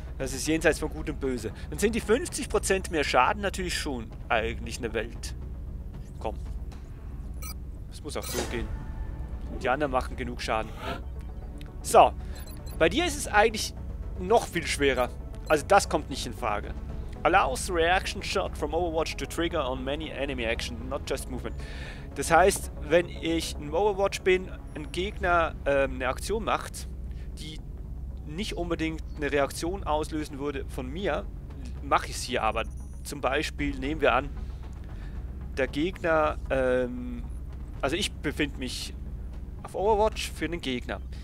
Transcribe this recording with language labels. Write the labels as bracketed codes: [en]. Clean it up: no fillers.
[de] Das ist jenseits von Gut und Böse. Dann sind die 50% mehr Schaden natürlich schon eigentlich eine Welt. Komm. Das muss auch so gehen. Die anderen machen genug Schaden. So. Bei dir ist es eigentlich noch viel schwerer. Also das kommt nicht in Frage. [en] Allows reaction shot from Overwatch to trigger on many enemy action, not just movement. [de] Das heißt, wenn ich ein Overwatch bin, ein Gegner eine Aktion macht, die nicht unbedingt eine Reaktion auslösen würde von mir, mache ich es hier aber. Zum Beispiel nehmen wir an, der Gegner, also ich befinde mich auf Overwatch für einen Gegner.